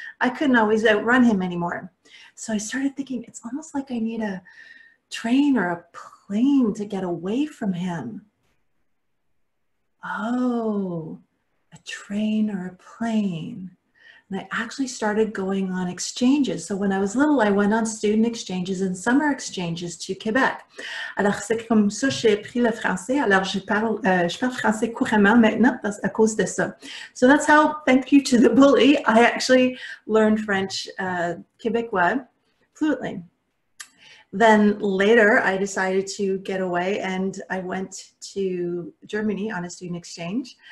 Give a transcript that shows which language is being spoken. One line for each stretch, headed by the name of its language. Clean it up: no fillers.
English: I couldn't always outrun him anymore. So I started thinking, it's almost like I need a train or a plane to get away from him. Oh, a train or a plane. And I actually started going on exchanges. So when I was little, I went on student exchanges and summer exchanges to Quebec.
French: Alors, c'est comme ça que j'ai pris le français. Alors, je parle français couramment maintenant à cause de ça.
English: So that's how, thank you to the bully, I actually learned French Quebecois fluently. Then later, I decided to get away and I went to Germany on a student exchange.